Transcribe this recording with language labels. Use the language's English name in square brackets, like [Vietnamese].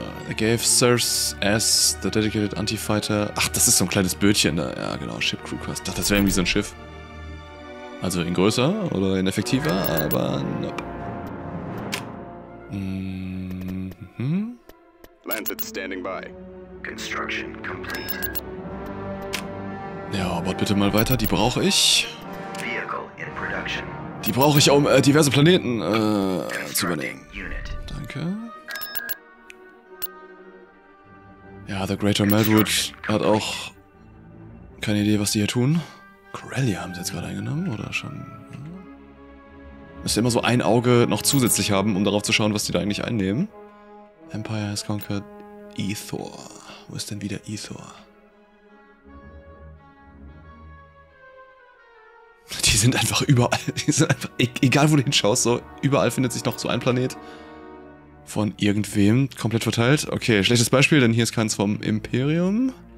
[English] Agave serves as the dedicated anti-fighter. [German] Ach, das ist so ein kleines Bötchen da. Ja, genau, Ship Crew Quest. Dachte, das wäre irgendwie so ein Schiff. Also in größer oder in effektiver, aber nope. Mm-hmm. [English] planted standing by. Construction complete. [German] Ja, baut bitte mal weiter, die brauche ich. [English] Vehicle in production. [German] Die brauche ich, um diverse Planeten zu übernehmen. Unit. Danke. Ja, The Greater Meldwood hat auch keine Idee, was die hier tun. Corellia haben sie jetzt gerade eingenommen, oder schon? Müsste immer so ein Auge noch zusätzlich haben, um darauf zu schauen, was die da eigentlich einnehmen. [English] Empire has conquered Aethor. [German] Wo ist denn wieder Aethor? Die sind einfach überall, die sind einfach, egal wo du hinschaust, so überall findet sich noch so ein Planet von irgendwem komplett verteilt. Okay, schlechtes Beispiel, denn hier ist keins vom Imperium.